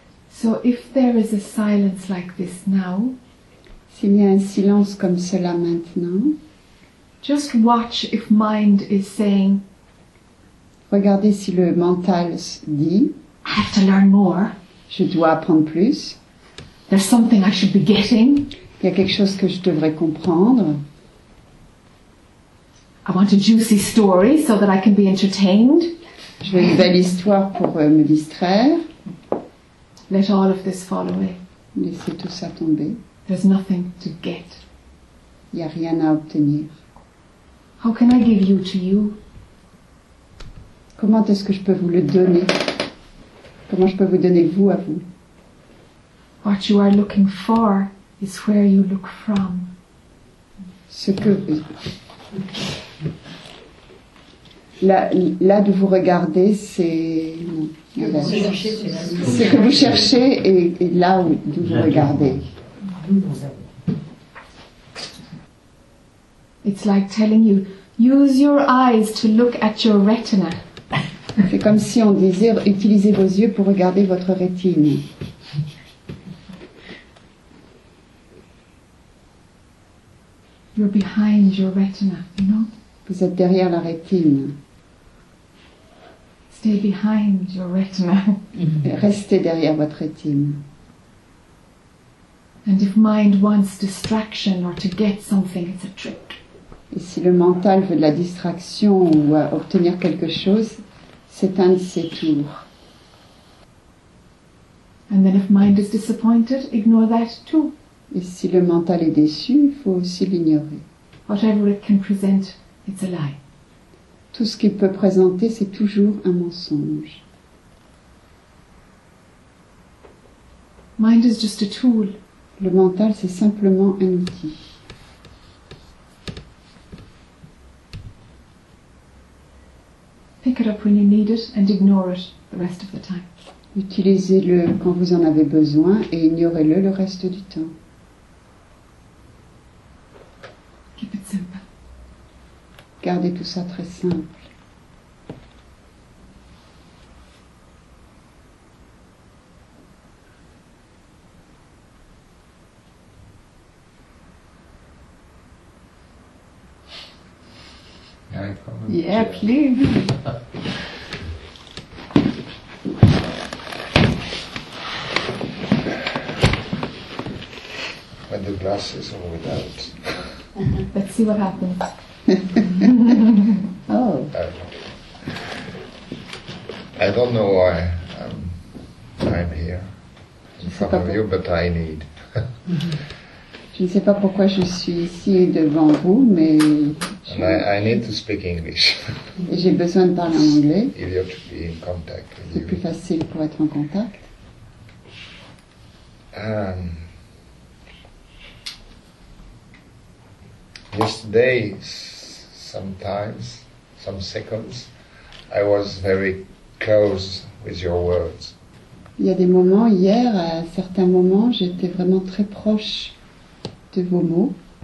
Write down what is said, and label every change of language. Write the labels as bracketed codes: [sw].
[en] So if there is a silence like this now, [fr] s'il y a un silence comme cela maintenant, [en] just watch if mind is saying, [fr] regardez si le mental dit, [en] I have to learn more, [fr] je dois apprendre plus, [en] there's something I should be getting, [fr] il y a quelque chose que je devrais comprendre, [en] I want a juicy story so that I can be entertained, [fr] je veux une belle histoire pour me distraire. [en] Let all of this fall away. [fr] Laissez tout ça tomber. [en] There's nothing to get. [fr] Il n'y a rien à obtenir. [en] How can I give you to you? [fr] Comment est-ce que je peux vous le donner? Comment je peux vous donner vous à vous? [en] What you are looking for is where you look from. [fr] Ce que vous... Là d'où vous regardez, c'est... Ce que vous cherchez est là où, d'où vous regardez. [en] It's like telling you, use your eyes to look at your retina. [fr] C'est comme si on disait, utilisez vos yeux pour regarder votre rétine. [en] You're behind your retina, you know? [fr] Vous êtes derrière la rétine. [en] Stay behind your retina. [fr] Restez derrière votre rétine. [en] And if mind wants distraction or to get something, it's a trick. [fr] Et si le mental veut de la distraction ou obtenir quelque chose, c'est un de ses tours. [en] And then if mind is disappointed, ignore that too. [fr] Et si le mental est déçu, il faut aussi l'ignorer. [en] Whatever it can present, it's a lie. [fr] Tout ce qu'il peut présenter, c'est toujours un mensonge. [en] Mind is just a tool. [fr] Le mental, c'est simplement un outil. [en] Pick it up when you need it and ignore it the rest of the time. [fr] Utilisez-le quand vous en avez besoin et ignorez-le le reste du temps. [en] Keep it simple. [fr] Gardez tout ça très simple. [en] Yeah, please. With the glasses or without? Let's see what happens. I don't know why I'm here in front of you, but I need. [fr] Je ne sais pas pourquoi je suis ici devant vous, mais... [en] I need to speak English. [fr] Et j'ai besoin de parler en anglais. [en] If you have to be in contact with [fr] C'est [en] you. [fr] Plus facile pour être en contact. [en] Yesterday, sometimes, some seconds, I was very close with your words. [fr] Il y a des moments, hier, à certains moments, j'étais vraiment très proche de vos mots.